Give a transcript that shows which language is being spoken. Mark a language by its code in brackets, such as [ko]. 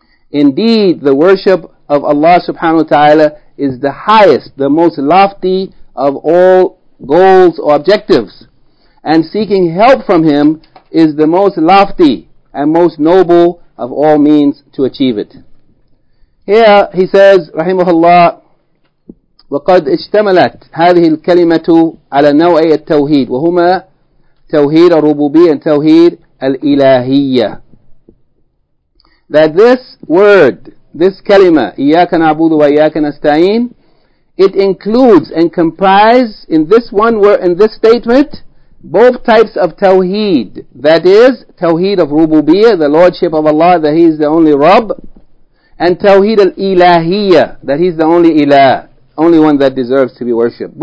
[en] Indeed, the worship of Allah subhanahu wa ta'ala is the highest, the most lofty of all goals or objectives. And seeking help from Him is the most lofty and most noble of all means to achieve it. Here he says, [ar] rahimahullah, وَقَدْ اجْتَمَلَتْ هَذِهِ الْكَلِمَةُ عَلَى نَوْعِي التَّوْهِيدِ وَهُمَا تَوْهِيدَ الرُّبُوبِيَّةِ and تَوْهِيدَ الْإِلَهِيَّةِ. [en] That this word, this kalima, [ar] إِيَّاكَ نَعْبُدُ وَإِيَّاكَ نَسْتَعِينَ, [en] it includes and comprises in this one word, in this statement, both types of tawheed, that is, tawheed of rububiyya, the lordship of Allah, that He is the only Rabb, and tawheed al-ilahiyya, that He is the only ilah, only one that deserves to be worshipped.